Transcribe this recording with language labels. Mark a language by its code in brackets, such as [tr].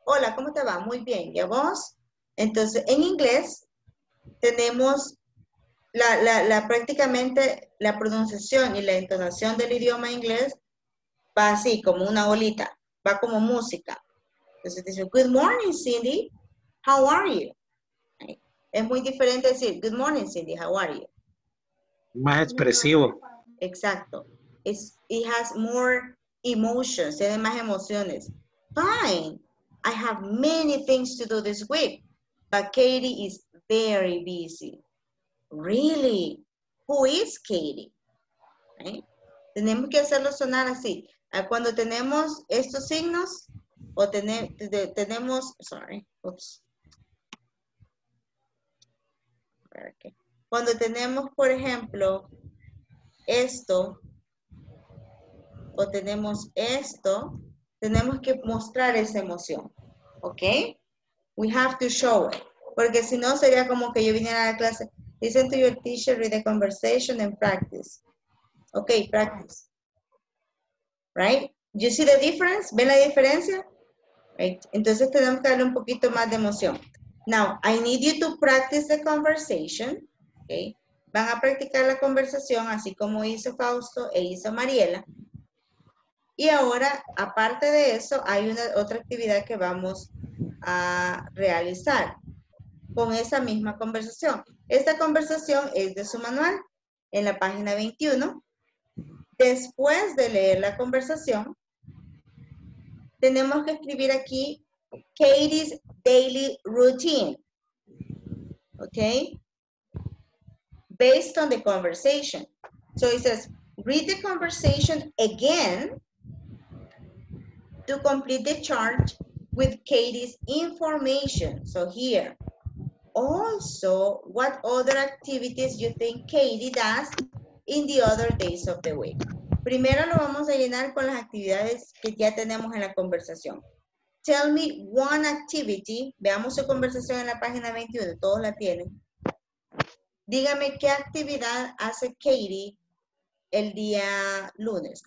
[es] Hola, ¿cómo te va? Muy bien, ¿y a vos? Entonces, en inglés tenemos la prácticamente la pronunciación y la entonación del idioma inglés va así, como una bolita, va como música. Entonces dice, [en] good morning, Cindy, how are you? [es] Es muy diferente decir, [en] good morning, Cindy, how are you? [es] Más expresivo. [en] Exacto. It's, it has more emotions, [es] tiene más emociones. [en] Fine, I have many things to do this week, but Katie is very busy. Really? Who is Katie? Right? [es] Tenemos que hacerlo sonar así. Cuando tenemos estos signos, o tenemos, [en] sorry, oops. [es] Cuando tenemos, por ejemplo, esto, o tenemos esto, tenemos que mostrar esa emoción. ¿Ok? [en] We have to show it. [es] Porque si no, sería como que yo viniera a la clase. [en] Listen to your teacher, read the conversation and practice. Ok, practice. Right? You see the difference? [es] ¿Ven la diferencia? [en] Right? [es] Entonces tenemos que darle un poquito más de emoción. [en] Now, I need you to practice the conversation. Ok. [es] Van a practicar la conversación así como hizo Fausto e hizo Mariela. Y ahora, aparte de eso, hay una otra actividad que vamos a realizar con esa misma conversación. Esta conversación es de su manual en la página 21. Después de leer la conversación, tenemos que escribir aquí [en] Katie's daily routine. ¿Ok? Based on the conversation. So it says, read the conversation again to complete the chart with Katie's information. So here. Also, what other activities you think Katie does in the other days of the week? [es] Primero lo vamos a llenar con las actividades que ya tenemos en la conversación. [en] Tell me one activity. [es] Veamos su conversación en la página 21. Todos la tienen. Dígame qué actividad hace Katie el día lunes.